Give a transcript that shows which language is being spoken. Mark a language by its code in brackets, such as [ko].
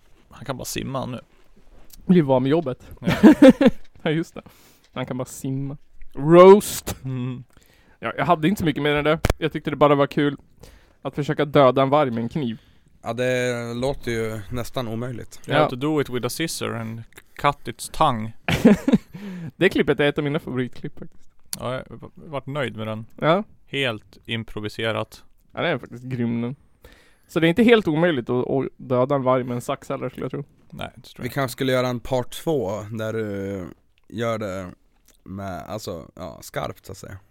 [sv] Han kan bara simma nu. Bli van med jobbet. Ja, just det. Han kan bara simma. Roast! Mm. Ja, jag hade inte så mycket mer än det. Jag tyckte det bara var kul att försöka döda en varg med en kniv. Ja, det låter ju nästan omöjligt. [en] You have to do it with a scissor and cut its tongue. [sv] Det klippet är ett av mina favoritklipp. Ja, jag har varit nöjd med den. Ja. Helt improviserat. Ja, det är faktiskt grym nu. Så det är inte helt omöjligt att döda en varg med en sax heller, skulle jag tro. Nej, det tror jag. Vi kanske skulle göra en part 2 där du gör det med, alltså, ja, skarpt så att säga.